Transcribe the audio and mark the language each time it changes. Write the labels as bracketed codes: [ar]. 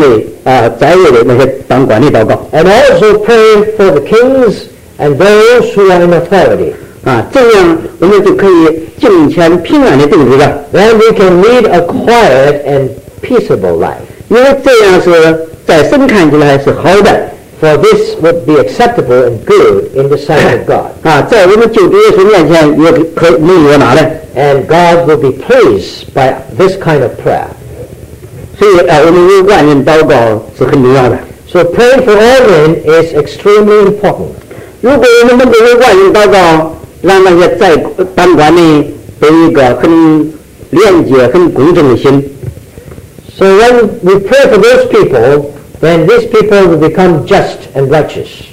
[zh] 也应该为那些君王的在位的那些当官的祷告 [en] and also pray for the kings and those who are in authority [zh] 这样我们就可以敬虔平安的定日了 [en] then we can lead a quiet and peaceable life [zh] 因为这样是在神看起来是好的 [en] for this would be acceptable and good in the sight of God [zh] 在我们救主耶稣面前也可以没有拿的 [en] and God will be pleased by this kind of prayer [zh] 所以我们为万人祷告是很重要的 [en] so pray for all men is extremely important [zh] 如果我们能够为万人祷告 让那些在当官的有一个很廉洁、很公正的心 [en] So when we pray for those people then these people will become just and righteous